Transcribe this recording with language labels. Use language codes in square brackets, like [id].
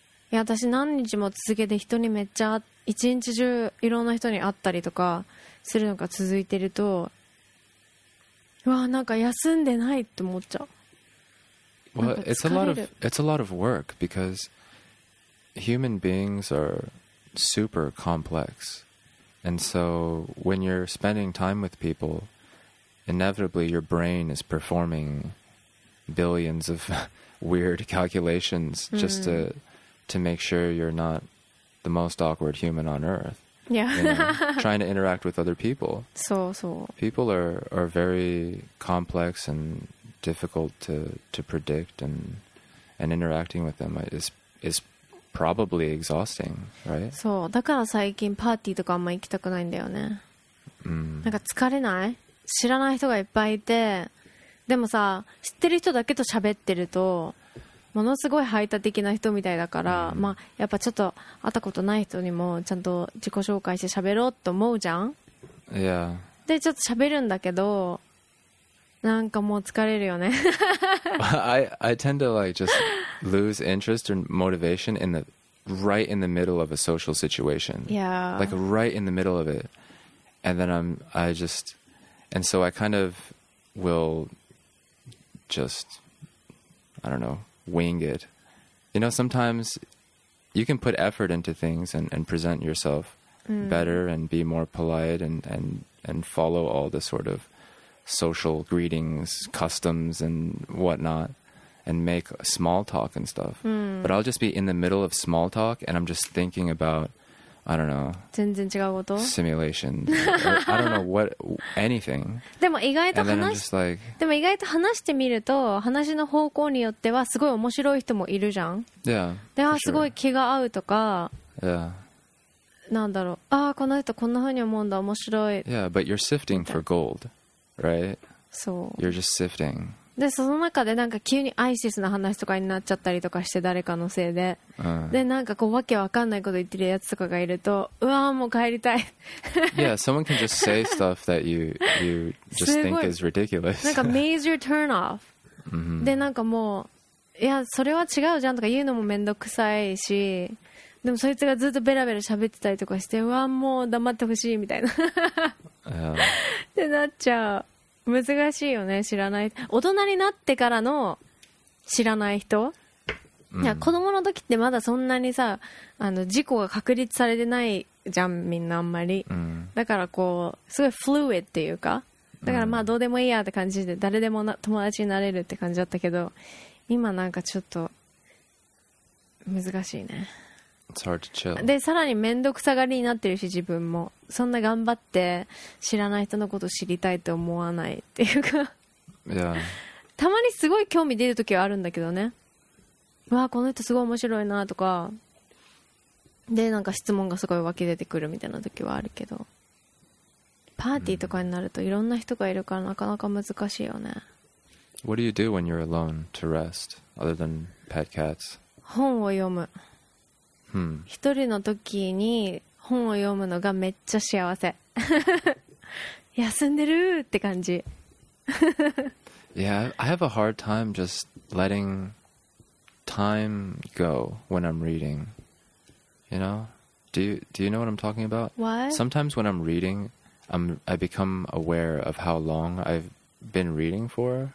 [ja] いや私何日も続けて人にめっちゃ一日中いろんな人に会ったりとかするのが続いてると、うわなんか休んでないって思っちゃう。 [en] Well, it's a lot of work because human beings are super complex, and so when you're spending time with people, inevitably your brain is performing billions of weird calculations just to make sure you're not the most awkward human on earth. Yeah, you know, trying to interact with other people. So so. People are very complex and. Difficult to predict and interacting with them is probably exhausting, right? [ja] そうだから最近パーティーとかあんま行きたくないんだよね。なんか疲れない？知らない人がいっぱいいて、でもさ知ってる人だけと喋ってるとものすごい排他的な人みたいだから、まあやっぱちょっと会ったことない人にもちゃんと自己紹介して喋ろうと思うじゃん。いや。 [en] Yeah. [ja] でちょっと喋るんだけど。なんかもう疲れるよね。 [en] I tend to like just lose interest or motivation in the right in the middle of a social situation. Yeah. Like right in the middle of it. And then I kind of will just, I don't know, wing it. You know, sometimes you can put effort into things and present yourself better and be more polite and follow all the sort of social greetings, customs and whatnot, and make small talk and stuff. But I'll just be in the middle of small talk and I'm just thinking about, I don't know, [ja] 全然違うこと? [en] simulation. I don't know what, anything. [ja] でも意外と話し、 like, でも意外と話してみると話の方向によってはすごい面白い人もいるじゃん。 [en] Yeah, [ja] で、あ、すごい気が合うとか、 [en] Yeah. [ja] なんだろう。あ、この人こんな風に思うんだ。面白い。 [en] Yeah, but you're sifting for gold. Right? [ja] そう。 [en] You're just sifting. [ja] で、その中でなんか急にアイシスの話とかになっちゃったりとかして誰かのせいで。で、なんかこうわけわかんないこと言ってるやつとかがいると、うわーもう帰りたい。 [en] Yeah, someone can just say stuff that you just think is ridiculous. [ja] なんか [en] major turn off. [ja] で、なんかもう、いや、それは違うじゃんとか言うのもめんどくさいし、でもそいつがずっとベラベラ喋ってたりとかして、うわーもう黙ってほしいみたいな。ってなっちゃう。難しいよね、知らない。大人になってからの知らない人、いや子供の時ってまだそんなにさ、あの事故が確立されてないじゃんみんなあんまり、だからこうすごいフルイッドっていうか、だからまあどうでもいいやって感じで誰でも友達になれるって感じだったけど、今なんかちょっと難しいね。 [en] It's hard to chill. [ja] でさらにめんどくさがりになってるし、自分もそんな頑張って知らない人のこと知りたいと思わないっていうか、 [en] yeah. [ja] たまにすごい興味出る時はあるんだけどね、わあこの人すごい面白いなとかで、なんか質問がすごい湧き出てくるみたいな時はあるけど、パーティーとかになるといろんな人がいるからなかなか難しいよね。 [en] What do you do when you're alone to rest other than pet cats? [ja] 本を読む。 Hmm. 一人の時に本を読むのがめっちゃ幸せ。休んでるって感じ。 [en] Yeah, I have a hard time just letting time go when I'm reading. You know? Do you know what I'm talking about? What? Sometimes when I'm reading, I become aware of how long I've been reading for.